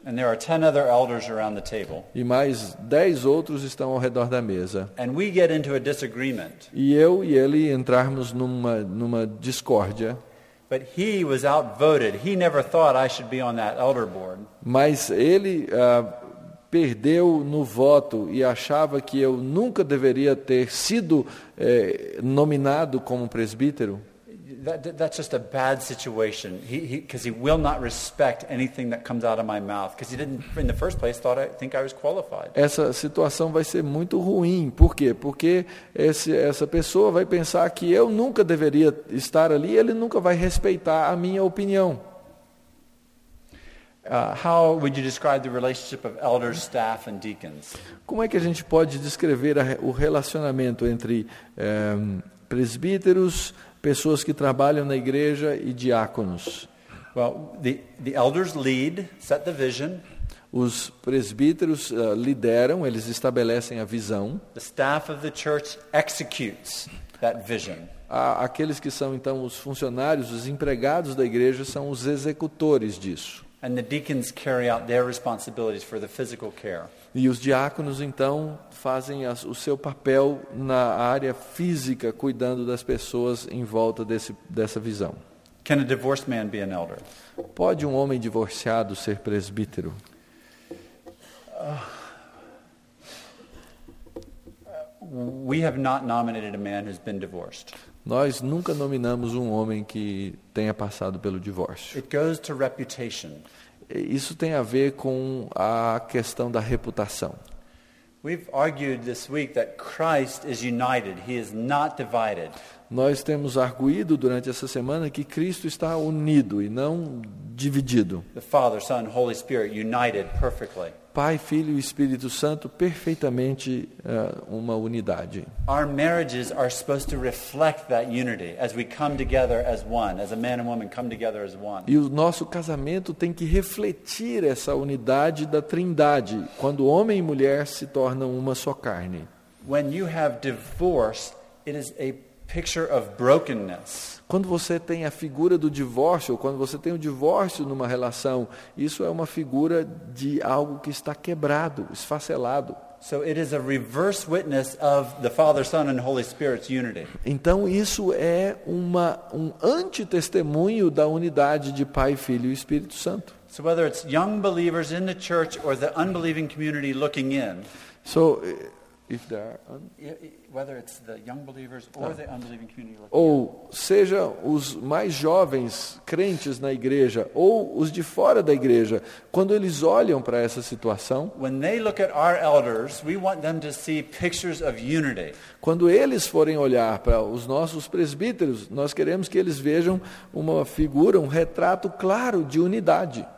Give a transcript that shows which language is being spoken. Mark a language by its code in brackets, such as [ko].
[en] and there are 10 other elders around the table, [pt] e mais 10 outros estão ao redor da mesa, [en] and we get into a disagreement, [pt] e eu e ele entrarmos numa discórdia, [en] but he was outvoted. He never thought I should be on that elder board. [pt] Mas ele perdeu no voto e achava que eu nunca deveria ter sido nominado como presbítero. [en] That's just a bad situation. He will not respect anything that comes out of my mouth because he didn't in the first place think I was qualified. [pt] Essa situação vai ser muito ruim. Por quê? Porque essa pessoa vai pensar que eu nunca deveria estar ali, ele nunca vai respeitar a minha opinião. [en] How would you describe the relationship of elders, staff and deacons? [pt] Como é que a gente pode descrever o relacionamento entre presbíteros, pessoas que trabalham na igreja e diáconos? [en] Well, the elders lead, set the vision. [pt] Os presbíteros lideram, eles estabelecem a visão. [en] The staff of the church executes that vision. [pt] Aqueles que são então os funcionários, os empregados da igreja são os executores disso. [en] And the deacons carry out their responsibilities for the physical care. [pt] E os diáconos, então, fazem o seu papel na área física, cuidando das pessoas em volta dessa visão. [en] Can a divorced man be an elder? [pt] Pode homem divorciado ser presbítero? [en] We have not nominated a man who's been divorced. [pt] Nós nunca nominamos homem que tenha passado pelo divórcio. [en] It goes to reputation. [pt] Isso tem a ver com a questão da reputação. [en] We've argued this week that Christ is united, he is not divided. [pt] Nós temos arguído durante essa semana que Cristo está unido e não dividido. [en] The Father, Son, Holy Spirit united perfectly. [pt] Pai, Filho e Espírito Santo perfeitamente uma unidade. [en] Our marriages are supposed to reflect that unity as we come together as one, as a man and woman come together as one. [pt] E o nosso casamento tem que refletir essa unidade da Trindade quando homem e mulher se tornam uma só carne. [en] When you have divorce, it is a picture of brokenness. [pt] Quando você tem a figura do divórcio, quando você tem um divórcio numa relação, isso é uma figura de algo que está quebrado, esfacelado. [en] So it is a reverse witness of the Father, Son and Holy Spirit's unity. [pt] Então isso é um antitestemunho da unidade de Pai, Filho e Espírito Santo. [en] So whether it's young believers in the church or the unbelieving community looking in. So if there are whether it's the young believers or the unbelieving community looking ou in. [pt] Seja os mais jovens crentes na igreja ou os de fora da igreja, quando eles olham para essa situação, [en] when they look at our elders, we want them to see pictures of unity. [pt] Quando eles forem olhar para os nossos presbíteros, nós queremos que eles vejam uma figura, um retrato claro de unidade.